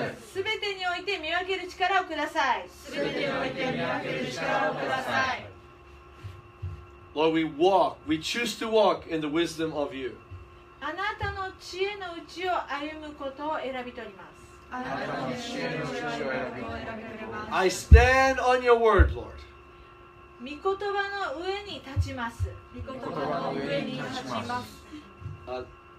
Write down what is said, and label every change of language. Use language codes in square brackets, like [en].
[ja] すべてにおいて見分ける力をください。すべてにおいて見分ける力をください。 [en] Lord, we walk, we choose to walk in the wisdom of you. [ja] あなたの知恵のうちを歩むことを選び取ります。あなたの知恵のうちを歩むことを選び取ります。 [en] I stand on your word, Lord. [ja] 御言葉の上に立ちます。御言葉の上に立ちます。